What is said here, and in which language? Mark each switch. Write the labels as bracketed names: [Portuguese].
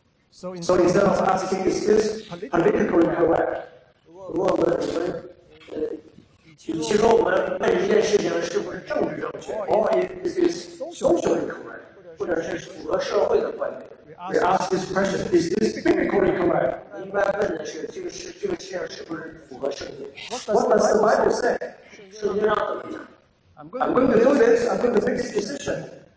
[English] So instead of asking, is this politically correct? [Chinese] 如果我们问一件事情是不是政治正确 [English] or if this is socially correct, [Chinese] 或者是符合社会的观点 [English] we ask this question, is this biblically correct? [Chinese] 一般问的是这个事情是不是符合圣经 [English] What does the Bible say? [Chinese] 圣经上怎么讲 [English] I'm going to do this, I'm going to make this decision.